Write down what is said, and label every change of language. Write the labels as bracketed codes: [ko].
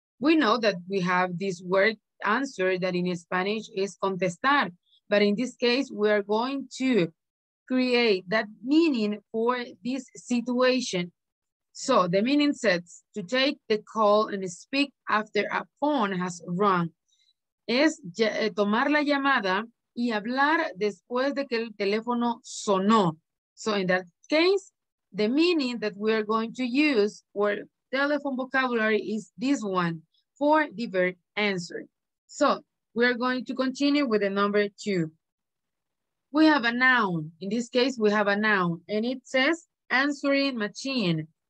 [en] We know that we have this word answer that in Spanish is contestar, but in this case we are going to create that meaning for this situation. So the meaning says to take the call and speak after a phone has rung. [es] Es tomar la llamada y hablar después de que el teléfono sonó. [en] So in that case, the meaning that we are going to use for telephone vocabulary is this one for the verb answer. So we are going to continue with the number two. We have a noun. In this case, we have a noun and it says answering machine.